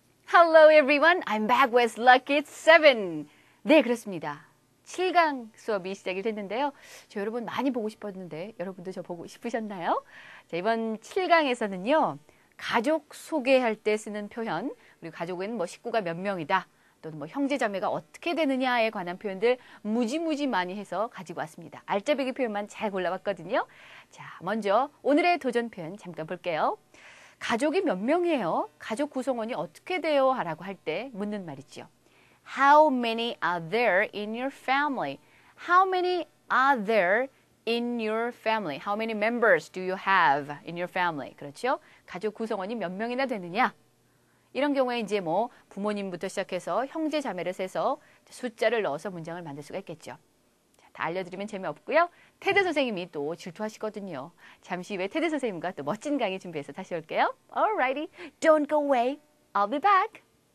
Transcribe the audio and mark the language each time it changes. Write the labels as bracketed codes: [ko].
[en] Hello everyone, I'm back with Lucky 7. [ko] 네, 그렇습니다. 7강 수업이 시작이 됐는데요. 저 여러분 많이 보고 싶었는데 여러분도 저 보고 싶으셨나요? 자, 이번 7강에서는요. 가족 소개할 때 쓰는 표현, 우리 가족은 뭐 식구가 몇 명이다, 또는 뭐 형제자매가 어떻게 되느냐에 관한 표현들 무지무지 많이 해서 가지고 왔습니다. 알짜배기 표현만 잘 골라봤거든요. 자, 먼저 오늘의 도전 표현 잠깐 볼게요. 가족이 몇 명이에요? 가족 구성원이 어떻게 돼요? 라고 할 때 묻는 말이죠. [en] How many are there in your family? How many are there in your family? How many members do you have in your family? [ko] 그렇죠? 가족 구성원이 몇 명이나 되느냐? 이런 경우에 이제 뭐 부모님부터 시작해서 형제 자매를 세서 숫자를 넣어서 문장을 만들 수가 있겠죠. 다 알려드리면 재미없고요. 테드 선생님이 또 질투하시거든요. 잠시 후에 테드 선생님과 또 멋진 강의 준비해서 다시 올게요. Alrighty, don't go away. I'll be back.